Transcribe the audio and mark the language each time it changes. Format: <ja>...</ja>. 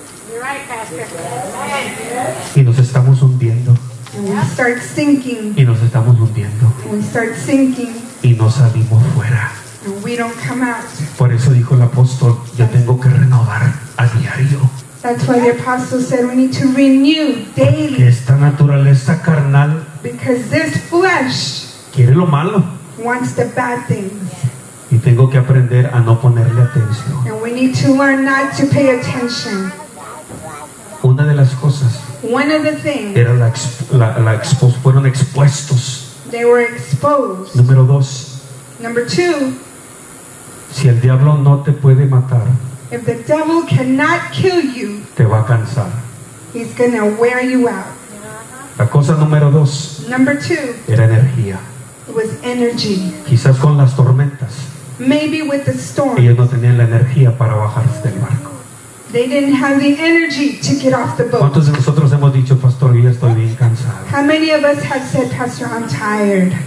<en>You're right, Pastor.</en> <es>Y nos estamos hundiendo.</es> <en>And we start sinking.</en> <es>Y nos estamos hundiendo.</es> <en>And we start sinking.</en> <es>Y no salimos fuera.</es> <en>And we don't come out.</en> <es>Por eso dijo el apóstol, yo tengo que renovar a diario.</es> <en>That's why the apostle said we need to renew daily.</en> <es>Porque esta naturaleza carnal,</es> <en>because this flesh,</en> <es>quiere lo malo,</es> <en>wants the bad things.</en> <es>Y tengo que aprender a no ponerle atención.</es> <en>And we need to learn not to pay attention.</en> <es>Una de las cosas,</es> <en>one of the things,</en> <es>era fueron expuestos.</es> <en>They were exposed.</en> <es>Número dos.</es> <en>Number two,</en> <es>si el diablo no te puede matar,</es> <en>If the devil cannot kill you,</en> <es>te va a cansar.</es> <en>He's gonna wear you out.</en> <es>La cosa número dos.</es> <en>Number two.</en> <es>Era energía.</es> <en>It was energy.</en> <es>Quizás con las tormentas.</es> <en>Maybe with the storm.</en> <es>Ellos no tenían la energía para bajarse del barco.</es> <en>They didn't have the energy to get off the boat.</en> <es>¿Cuántos de nosotros hemos dicho, pastor, yo estoy bien cansado?</es> <en>How many of us have said, pastor, I'm tired.</en>